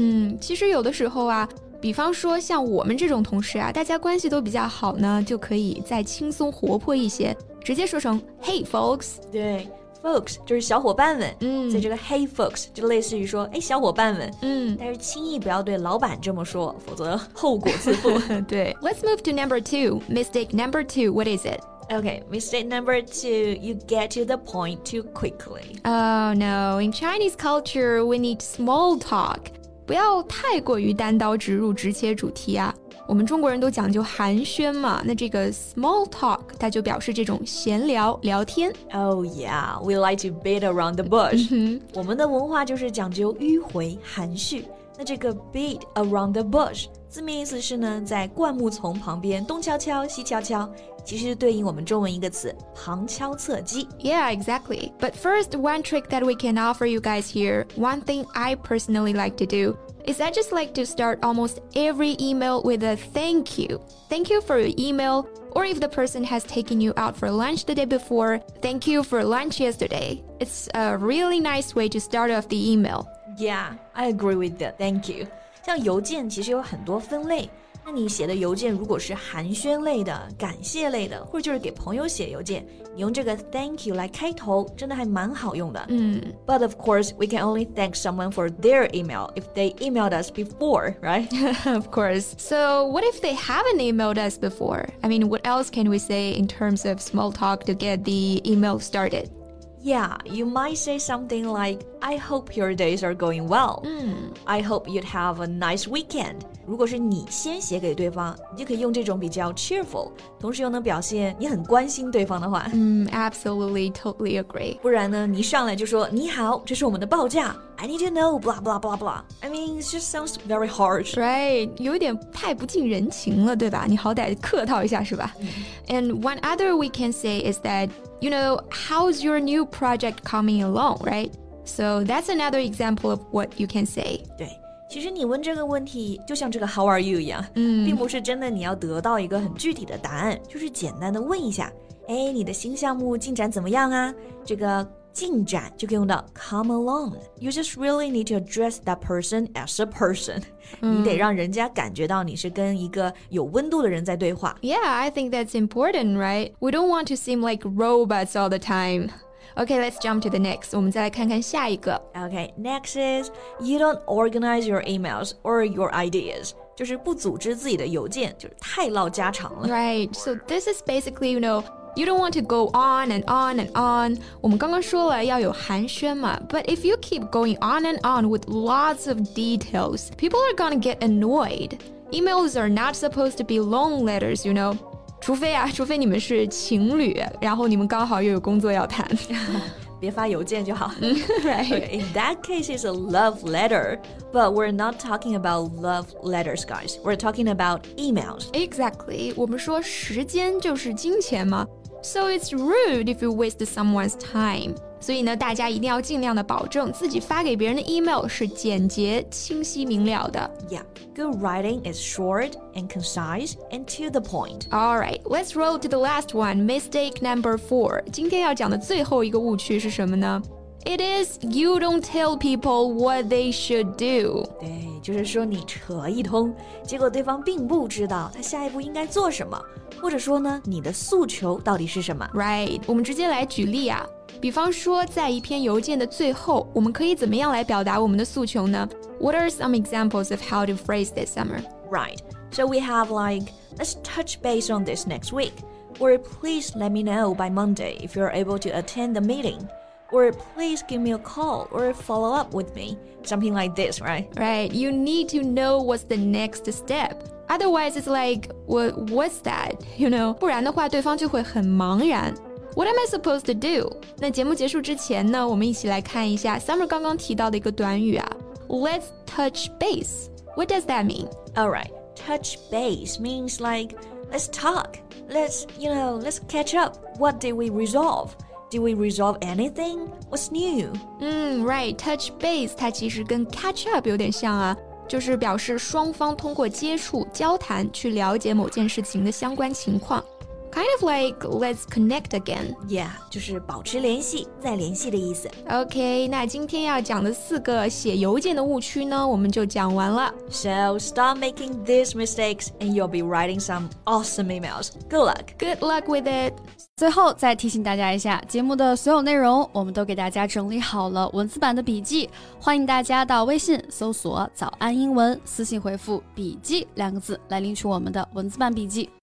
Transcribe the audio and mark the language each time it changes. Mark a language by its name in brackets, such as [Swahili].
[Chinese] 嗯，其实有的时候啊，比方说像我们这种同事啊，大家关系都比较好呢，就可以再轻松活泼一些，直接说成 [English] Hey folks。 [Chinese] 对， folks 就是小伙伴们。嗯，所以这个 [English] Hey folks [Chinese] 就类似于说哎，小伙伴们。嗯，但是轻易不要对老板这么说，否则后果自负。 [English] 对， Let's move to number two. Mistake number two, what is it Okay, mistake number two, you get to the point too quickly. Oh no, in Chinese culture, we need small talk. [Chinese] 不要太过于单刀直入直切主题啊。我们中国人都讲究寒暄嘛，那这个 small talk 它就表示这种闲聊聊天。 [English] Oh yeah, we like to beat around the bush. [Chinese] 我们的文化就是讲究迂回含蓄，那这个 [English] beat around the bush [Chinese] 字面意思是呢，在灌木丛旁边东敲敲西敲敲，其实对应我们中文一个词旁敲侧击。 [English] Yeah, exactly. But first, one trick that we can offer you guys here, one thing I personally like to doIs I just like to start almost every email with a thank you. Thank you for your email. Or if the person has taken you out for lunch the day before, thank you for lunch yesterday. It's a really nice way to start off the email. Yeah, I agree with that. Thank you. [Chinese] 像邮件其实有很多分类。那你写的邮件如果是寒暄类的、感谢类的，或者就是给朋友写邮件，你用这个 thank you 来开头，真的还蛮好用的。 [English] But of course, we can only thank someone for their email if they emailed us before, right? Of course. So what if they haven't emailed us before? I mean, what else can we say in terms of small talk to get the email started? Yeah, you might say something like, I hope your days are going well. I hope you'd have a nice weekend. [Chinese] 如果是你先写给对方，你就可以用这种比较 cheerful, 同时又能表现你很关心对方的话。 [English] Absolutely, totally agree. [Chinese] 不然呢，你上来就说，你好，这是我们的报价。 [English] I need to know, blah, blah, blah, blah. I mean, it just sounds very harsh. [Chinese] Right, 有点太不近人情了，对吧？你好歹客套一下，是吧？ [English] And one other we can say is that, you know, how's your new project coming along, right? So that's another example of what you can say. [Chinese] 对，其实你问这个问题就像这个 [English] how are you [Chinese] 一样，并不是真的你要得到一个很具体的答案，就是简单的问一下，哎，你的新项目进展怎么样啊？这个进展就可以用到 [English] come along. You just really need to address that person as a person. [Chinese] 你得让人家感觉到你是跟一个有温度的人在对话。 [English] Yeah, I think that's important, right? We don't want to seem like robots all the time. Okay, let's jump to the next. [Chinese] 我们再来看看下一个。 [English] Okay, next is, you don't organize your emails or your ideas. [Chinese] 就是不组织自己的邮件，就是太唠家常了。 [English] Right, so this is basically, you know,You don't want to go on and on and on. [Chinese] 我们刚刚说了要有寒暄嘛。 [English] But if you keep going on and on with lots of details, people are gonna get annoyed. Emails are not supposed to be long letters, you know. [Chinese] 除非你们是情侣，然后你们刚好又有工作要谈。别发邮件就好。 [English] Right. Okay, in that case, it's a love letter. But we're not talking about love letters, guys. We're talking about emails. Exactly. [Chinese] 我们说时间就是金钱嘛。 [English] So it's rude if you waste someone's time. [Chinese] 所以呢，大家一定要尽量的保证自己发给别人的 email 是简洁、清晰、明了的。 [English] Yeah, good writing is short and concise and to the point. All right, let's roll to the last one, mistake number four. [Chinese] 今天要讲的最后一个误区是什么呢？ [English] It is you don't tell people what they should do. [Chinese] 对，就是说你扯一通，结果对方并不知道他下一步应该做什么，或者说呢，你的诉求到底是什么。 Right, 我们直接来举例啊。比方说在一篇邮件的最后，我们可以怎么样来表达我们的诉求呢？ [English] What are some examples of how to phrase this summer? Right, so we have like, let's touch base on this next week. Or please let me know by Monday if you're able to attend the meeting. Or please give me a call or follow up with me. Something like this, right? Right. You need to know what's the next step. Otherwise, it's like, what's that? You know? [Chinese] 不然的话对方就会很茫然。 [English] What am I supposed to do? [Chinese] 那节目结束之前呢，我们一起来看一下 Summer 刚刚提到的一个短语啊。 [English] Let's touch base. What does that mean? All right. Touch base means like, let's talk. Let's, you know, let's catch up. What did we resolve? Did we resolve anything? What's new? [Chinese] Right, [English] touch base, [Chinese] 它其实跟 [English] catch up [Chinese] 有点像啊，就是表示双方通过接触、交谈去了解某件事情的相关情况。 [English] Kind of like, let's connect again. [Chinese] Yeah, 就是保持联系、再联系的意思。 OK, 那今天要讲的四个写邮件的误区呢，我们就讲完了。 [English] So, stop making these mistakes and you'll be writing some awesome emails. Good luck. Good luck with it. [Chinese] 最后再提醒大家一下，节目的所有内容我们都给大家整理好了文字版的笔记，欢迎大家到微信搜索早安英文，私信回复笔记两个字来领取我们的文字版笔记。